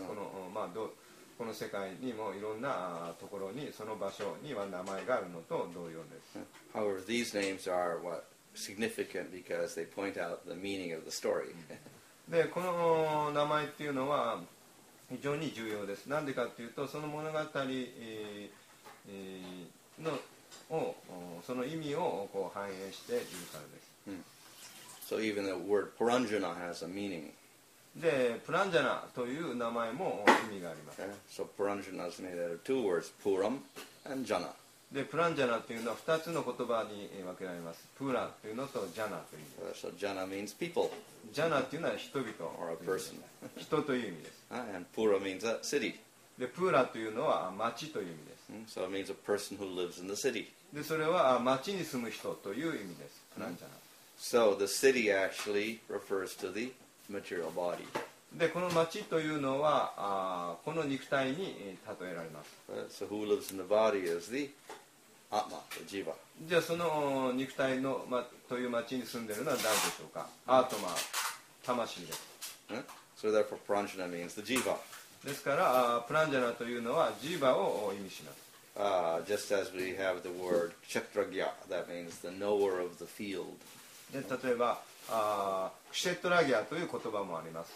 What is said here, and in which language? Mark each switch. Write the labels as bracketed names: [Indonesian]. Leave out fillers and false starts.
[Japanese] この、まあこの世界にもいろんなところにその場所には名前があるのと同様です。 [English] However, these names are what significant because they point out the meaning of the story. [Japanese] で、この名前っていうのは非常に重要です。なんでかっていうと、その物語のをその意味をこう反映しているからです。 [English] So even the word Puranjana has a meaning. [Japanese] でプランジャナという名前も意味があります。 [English] So Puranjana is made out of two words, Puram and Jana. [Japanese] でプランジャナというのは二つの言葉に分けられます。プーラというのとジャナという意味です。 [English] So Jana means people. [Japanese] ジャナというのは人々という。 [English] Or a person. [Japanese] 人という意味です。 [English] And Pura means a city. [Japanese] でプーラというのは町という意味です。 [English] So it means a person who lives in the city. [Japanese] でそれは町に住む人という意味です。プランジャナ。 [English] So the city actually refers to theMaterial body. [Japanese] でこの町というのはこの肉体に例えられます。 [English] So who lives in the body is the Atma, the Jiva. [Japanese] じゃあその肉体の、ま、という町に住んでいるのは誰でしょうか。アートマ、魂です。 [English] So therefore, Puranjana means the Jiva. [Japanese] ですから、プランジャナというのはジーバを意味します。 [English] Just as we have the word Kshetragya, that means the knower of the field. [Japanese] で例えば、クシェットラギアという言葉もあります。